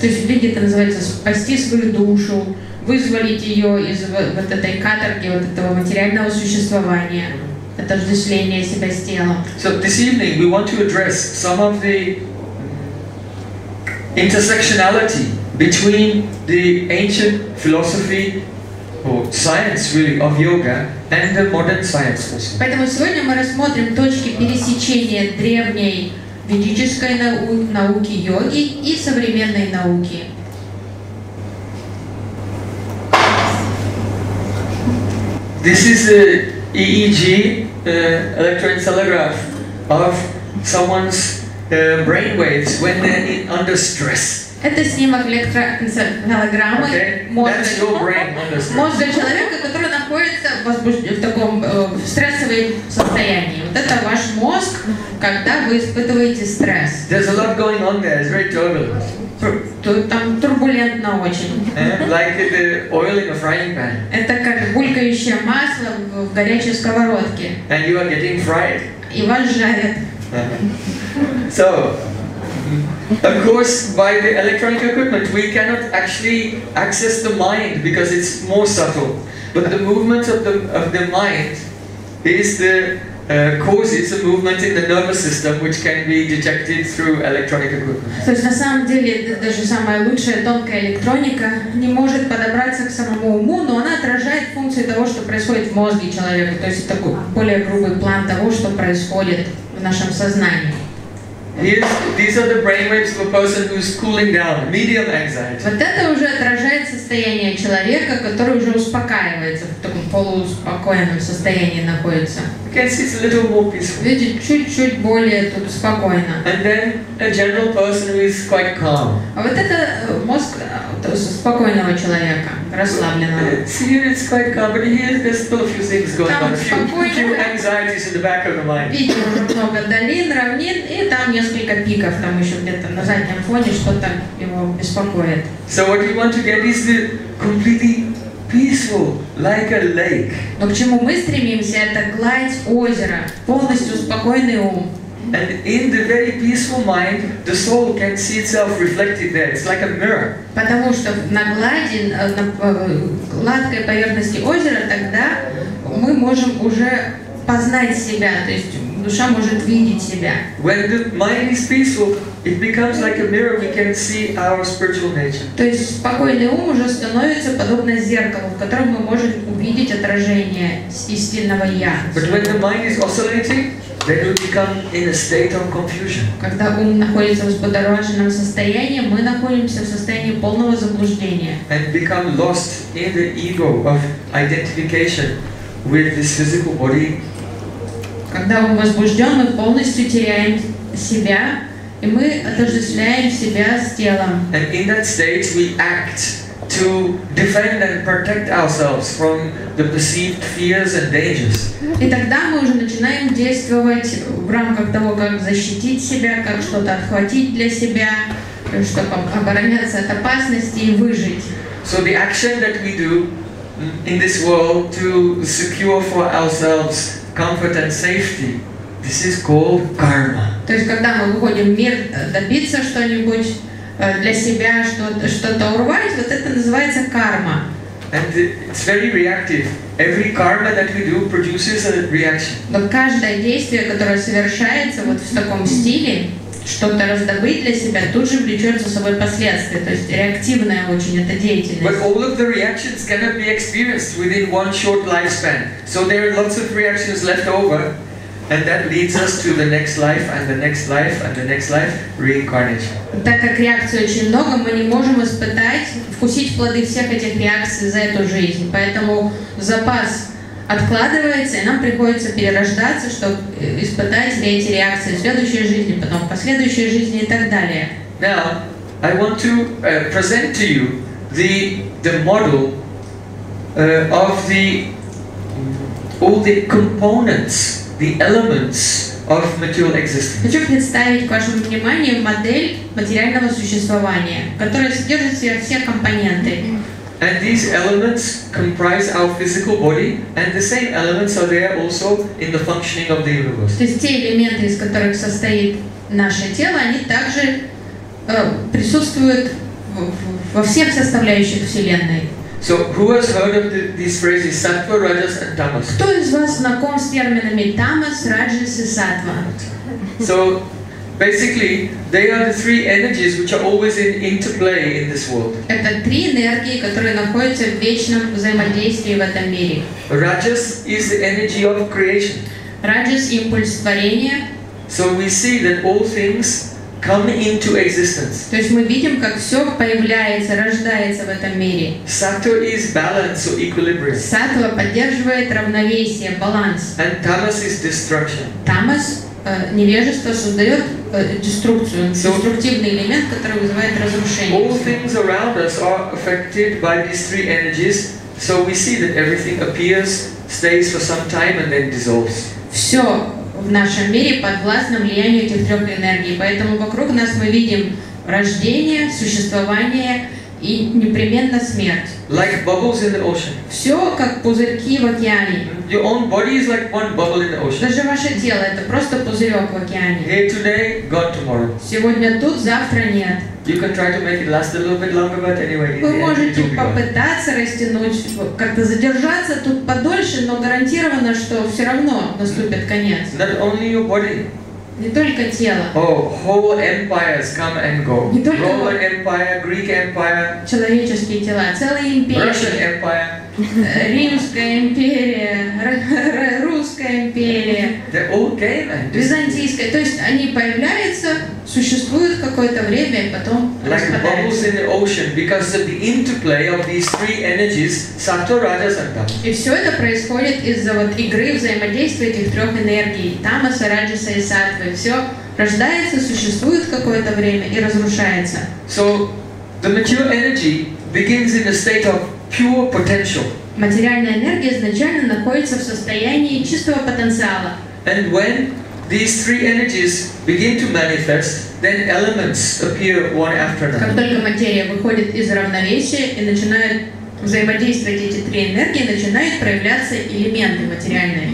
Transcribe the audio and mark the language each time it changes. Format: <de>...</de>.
<ru>То есть в религии это называется спасти свою душу, вызволить ее из вот этой каторги, вот этого материального существования, отождествления себя с телом.</ru> <en>So this evening we want to address some of the intersectionality between the ancient philosophy or science really of yoga and the modern sciences.</en> <ru>Поэтому сегодня мы рассмотрим точки пересечения древней ведической науки йоги и современной науки.</ru> <en>This is a EEG, electroencephalograph of someone's brain waves when they're under stress.</en> <ru>Это снимок электроэнцефалограммы мозга человека, который находится в таком стрессовом состоянии. Вот это ваш мозг, когда вы испытываете стресс.</ru> <en>There's a lot going on there. It's very turbulent.</en> <ru>Там турбулентно очень.</ru> <en>Like the oil in a frying pan.</en> <ru>Это как булькающее масло в горячей сковородке.</ru> <en>And you are getting fried.</en> <ru>И вас жарят.</ru> <en>So. Of course, by the electronic equipment, we cannot actually access the mind because it's more subtle. But the movement of the mind is the cause. It's a movement in the nervous system which can be detected through electronic equipment.</en> <ru>То есть на самом деле даже самая лучшая тонкая электроника не может подобраться к самому уму, но она отражает функции того, что происходит в мозге человека. То есть такой более грубый план того, что происходит в нашем сознании.</ru> <en>These are the brainwaves of a person who's cooling down, medium anxiety.</en> <ru>Вот это уже отражает состояние человека, который уже успокаивается, в таком полууспокоенном состоянии находится.</ru> <en>You can see it's a little more peaceful.</en> <ru>Видите, чуть-чуть более тут спокойно.</ru> <en>And then a general person who is quite calm.</en> <ru>А вот это мозг спокойного человека, расслабленного.</ru> <en>See, it's quite calm, but here there's still a few things going on. Few anxieties in the back of the mind.</en> <ru>Видите, уже много долин, равнин, и там несколько пиков, там еще где-то на заднем фоне что-то его беспокоит.</ru> <en>So what we want to get is the completely peaceful, like a lake.</en> <ru>Но к чему мы стремимся, это гладь озера, полностью спокойный ум.</ru> <en>And in the very peaceful mind, the soul can see itself reflected there. It's like a mirror.</en> <ru>Потому что на глади, на гладкой поверхности озера, тогда мы можем уже познать себя, то есть душа может видеть себя.</ru> <en>When the mind is peaceful, it becomes like a mirror. We can see our spiritual nature.</en> <ru>То есть спокойный ум уже становится подобно зеркалу, в котором мы можем увидеть отражение истинного я.</ru> <en>But when the mind is oscillating, then we become in a state of confusion.</en> <ru>Когда ум находится в взбудораженном состоянии, мы находимся в состоянии полного заблуждения.</ru> <en>And become lost in the ego of identification with this physical body.</en> <ru>Когда ум возбужден, мы полностью теряем себя. И мы отождествляем себя с телом.</ru> <en>And in that state we act to defend and protect ourselves from the perceived fears and dangers.</en> <ru>И тогда мы уже начинаем действовать в рамках того, как защитить себя, как что-то отхватить для себя, чтобы обороняться от опасности и выжить.</ru> <en>So the action that we do in this world to secure for ourselves comfort and safety, this is called karma.</en> <ru>То есть, когда мы выходим в мир добиться что-нибудь для себя, что-то урвать, вот это называется карма.</ru> <en>And it's very reactive. Every karma that we do produces a reaction.</en> <ru>Но каждое действие, которое совершается вот в таком стиле, что-то раздобыть для себя, тут же влечет за собой последствия. То есть реактивная очень эта деятельность.</ru> <en>But all of the reactions cannot be experienced within one short lifespan. So there are lots of reactions left over. And that leads us to the next life, and the next life, and the next life, reincarnation.</en> <ru>Так как реакций очень много, мы не можем испытать, вкусить плоды всех этих реакций за эту жизнь. Поэтому запас откладывается, и нам приходится перерождаться, чтобы испытать эти реакции в следующей жизни, потом в последующей жизни и так далее.</ru> <en>Now, I want to present to you the model of the all the components, the elements of material existence.</en> <ru>Хочу представить к вашему вниманию модель материального существования, которая содержит в себе все компоненты.</ru> <en>And these elements comprise our physical body, and the same elements are there also in the functioning of the universe.</en> <ru>То есть те элементы, из которых состоит наше тело, они также присутствуют во всех составляющих Вселенной.</ru> <en>So who has heard of these phrases sattva, rajas, and tamas?</en> <ru>Кто из вас знаком с терминами tamas, rajas и sattva?</ru> <en>So basically, they are the three energies which are always in interplay in this world.</en> <ru>Это три энергии, которые находятся в вечном взаимодействии в этом мире.</ru> <en>Rajas is the energy of creation.</en> <ru>Rajas – импульс творения.</ru> <en>So we see that all things come into existence.</en> <ru>То есть мы видим, как все появляется, рождается в этом мире.</ru> <en>Sattva is balance or equilibrium.</en> <ru>Sattva поддерживает равновесие, баланс.</ru> <en>And tamas is destruction.</en> <ru>Tamas невежество создает деструкцию, деструктивный элемент, который вызывает разрушение.</ru> <en>All things around us are affected by these three energies, so we see that everything appears, stays for some time, and then dissolves.</en> <ru>Все в нашем мире подвластно влиянию этих трех энергий, поэтому вокруг нас мы видим рождение, существование и непременно смерть.</ru> <en>Like bubbles in the ocean.</en> <ru>Все как пузырьки в океане.</ru> <en>Your own body is like one bubble in the ocean.</en> <ru>Даже ваше тело это просто пузырек в океане.</ru> <en>Here today, gone tomorrow.</en> <ru>Сегодня тут, завтра нет.</ru> <en>You can try to make it last a little bit longer, but anyway.</en> <ru>Вы можете попытаться растянуть, как-то задержаться тут подольше, но гарантированно, что все равно наступит конец.</ru> <en>Not only your body.</en> <ru>Не только тело.</ru> <en>Oh, whole empires come and go.</en> <ru>Не только</ru> <en>Roman Empire, Greek Empire.</en> <ru>Человеческие тела, целые империи.</ru> <en>Russian Empire.</en> <ru>Римская империя, русская империя.</ru> <en>They all came and</en> <ru>византийская. То есть они появляются, существуют какое-то время, и потом распадаются.</ru> <en>Like bubbles in the ocean, because of the interplay of these three energies, sattva, rajas, and tamas.</en> <ru>И все это происходит из-за вот игры взаимодействия этих трех энергий: тамаса, раджаса и саттвы. Все рождается, существует какое-то время и разрушается.</ru> <en>So the material energy begins in a state of pure potential.</en> <ru>Материальная энергия изначально находится в состоянии чистого потенциала.</ru> <en>And when these three energies begin to manifest, then elements appear one after another.</en> <ru>Как только материя выходит из равновесия и начинает взаимодействовать эти три энергии, начинают проявляться элементы материальные.</ru>